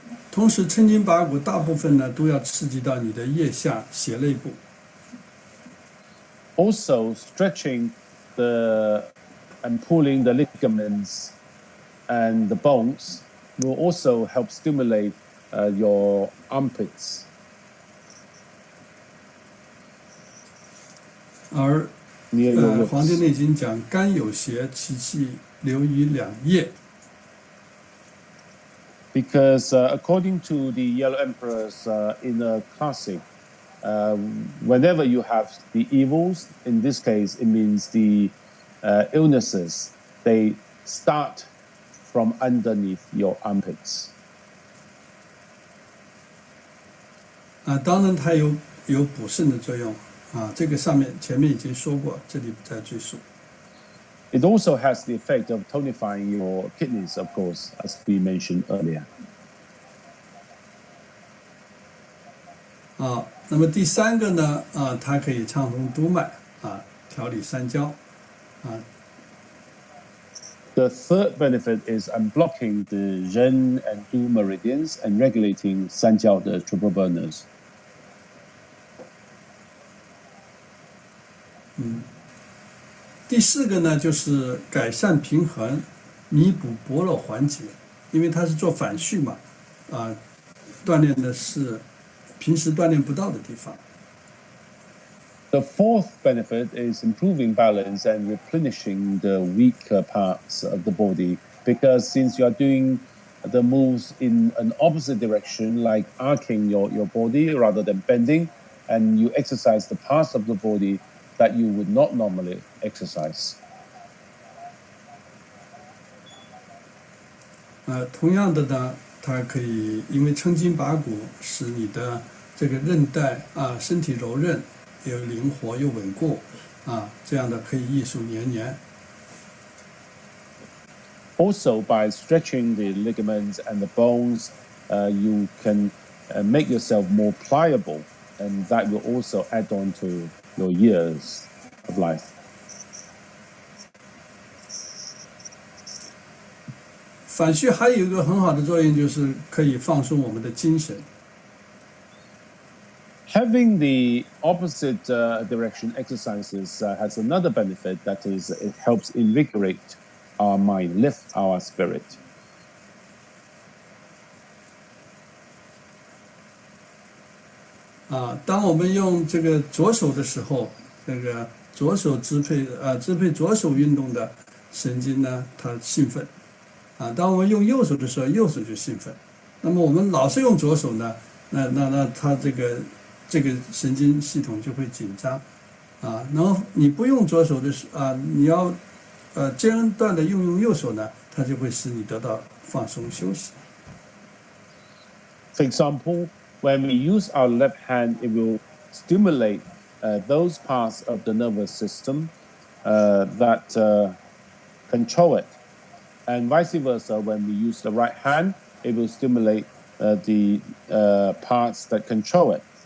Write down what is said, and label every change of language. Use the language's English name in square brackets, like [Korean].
[Chinese] 同时抻筋拔骨大部分呢都要刺激到你的腋下胁肋部。 [English] Also stretching and pulling the ligaments and the bones will also help stimulate your armpits. [Chinese] 而《黄帝内经》讲肝有邪，其气流于两腋。 [English] Because according to the Yellow Emperor's inner classic, whenever you have the evils, in this case, it means the illnesses, they start from underneath your armpits. [Chinese] 当然它有补肾的作用，啊，这个上面前面已经说过，这里不再赘述。 [English] It also has the effect of tonifying your kidneys, of course, as we mentioned earlier. [Chinese] 啊，那么第三个呢？啊，它可以畅通督脉，啊，调理三焦，啊。 [English] The third benefit is unblocking the Ren and Du meridians and regulating Sanjiao the triple burners. [Chinese] 第四个呢，就是改善平衡，弥补薄弱环节，因为它是做反训嘛，啊，锻炼的是平时锻炼不到的地方。 [English] The fourth benefit is improving balance and replenishing the weaker parts of the body because since you are doing the moves in an opposite direction, like arcing your body rather than bending, and you exercise the parts of the body that you would not normally exercise. [Chinese] 同样的呢，它可以因为撑筋拔骨，使你的这个韧带啊，身体柔韧。又灵活又稳固，啊，这样的可以益寿延年。 [English] Also, by stretching the ligaments and the bones, you can make yourself more pliable, and that will also add on to your years of life. [Chinese] 反训还有一个很好的作用，就是可以放松我们的精神。 [English] Having the opposite direction exercises has another benefit, that is, it helps invigorate our mind, lift our spirit. [Chinese] 当我们用这个左手的时候，这个左手支配左手运动的神经呢，它兴奋。当我们用右手的时候，右手就兴奋。那么我们老是用左手呢，那它这个。这个神经系统就会紧张，然后你不用左手的时候，你要，间断的用右手呢，它就会使你得到放松休息。 [English] For example, when we use our left hand, it will stimulate those parts of the nervous system that control it, and vice versa, when we use the right hand, it will stimulate the parts that control it.